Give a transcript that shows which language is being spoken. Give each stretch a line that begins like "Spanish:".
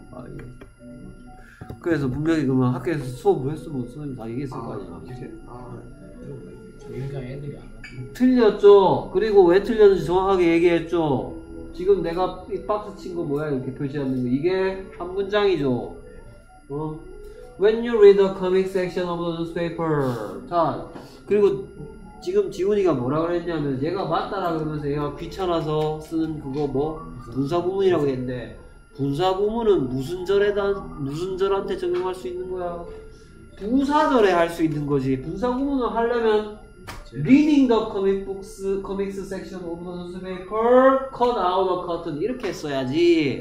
Korean: 아, 예. 그래서 분명히 그러면 학교에서 수업을 했으면 선생님 다 얘기했을 거 아니야. 아, 그러니까 애들이 안 왔어. 틀렸죠? 그리고 왜 틀렸는지 정확하게 얘기했죠? 지금 내가 이 박스 친 거 뭐야? 이렇게 표시하는 거. 이게 한 문장이죠? 어?
English: When you read the comic section of the newspaper.
Korean: 자, 그리고 지금 지훈이가 뭐라고 했냐면 얘가 맞다라고 그러면서 얘가 귀찮아서 쓰는 그거 뭐? 분사부문이라고 했는데 분사부문은 무슨 절한테 적용할 수 있는 거야? 부사절에 할 수 있는 거지. 분사부문을 하려면
English: reading the comic books, comics section of the newspaper, cut out the curtain
Korean: 이렇게 써야지.